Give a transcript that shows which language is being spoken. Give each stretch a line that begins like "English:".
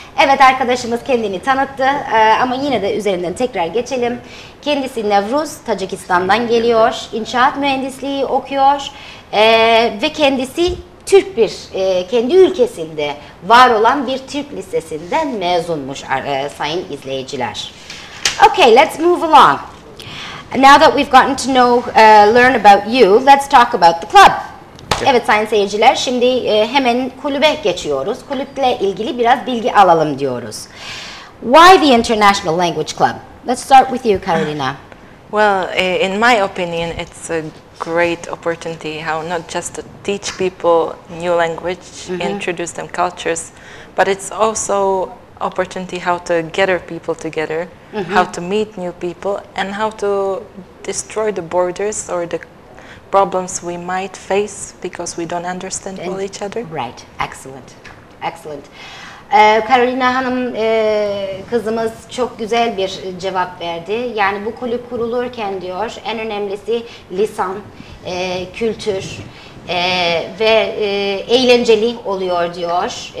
Turkish: Evet, arkadaşımız kendini tanıttı ama yine de üzerinden tekrar geçelim. Kendisi Nevruz, Tacikistan'dan geliyor, inşaat mühendisliği okuyor ve kendisi Türk bir kendi ülkesinde var olan bir Türk lisesinden mezunmuş sayın izleyiciler.
English: Okay, let's move along. Now that we've gotten to know, learn about you, let's talk about the club.
Turkish: Okay. Evet sayın seyirciler, şimdi hemen kulübe geçiyoruz. Kulüple ilgili biraz bilgi alalım diyoruz.
English: Why the International Language Club? Let's start with you, Carolina. Well, in my opinion, it's a great opportunity how not just to teach people new language, mm-hmm. introduce them cultures, but it's also opportunity how to gather people together, mm-hmm. how to meet new people, and how to destroy the borders or the problems we might face because we don't understand all each other. Right. Excellent. Excellent.
Turkish: Carolina Hanım, kızımız çok güzel bir cevap verdi. Yani bu kulüp kurulurken diyor, en önemlisi lisan, kültür ve eğlenceli oluyor diyor.